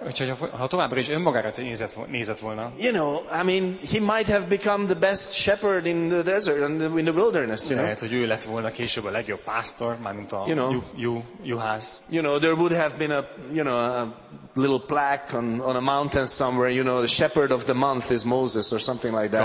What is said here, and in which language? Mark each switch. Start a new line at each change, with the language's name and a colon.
Hungarian: Úgyhogy ha továbbra is önmagára nézett volna.
English: You know, I mean, he might have become the best shepherd in the desert and in the wilderness. You know.
Hungarian: Lehet, hogy ő lett volna később a legjobb pásztor, mármint a juhász.
English: You know, there would have been a, you know, a little plaque on a mountain somewhere. You know, the shepherd of the month is Moses or something like that.